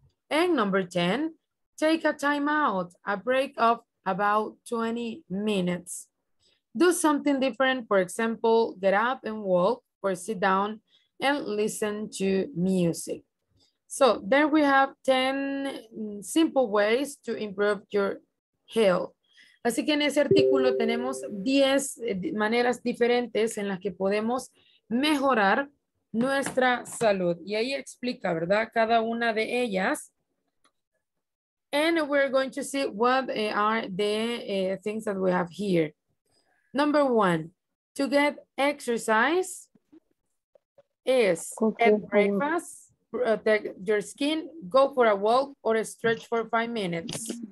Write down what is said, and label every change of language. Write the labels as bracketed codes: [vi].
[en] And number 10, take a time out, a break of about 20 minutes. Do something different, for example, get up and walk, or sit down and listen to music. So there we have 10 simple ways to improve your health. [es] Así que en ese artículo tenemos 10 maneras diferentes en las que podemos mejorar nuestra salud. Y ahí explica, ¿verdad? Cada una de ellas. [en] And we're going to see what are the things that we have here. Number one, to get exercise is at breakfast. protect your skin, go for a walk or a stretch for 5 minutes.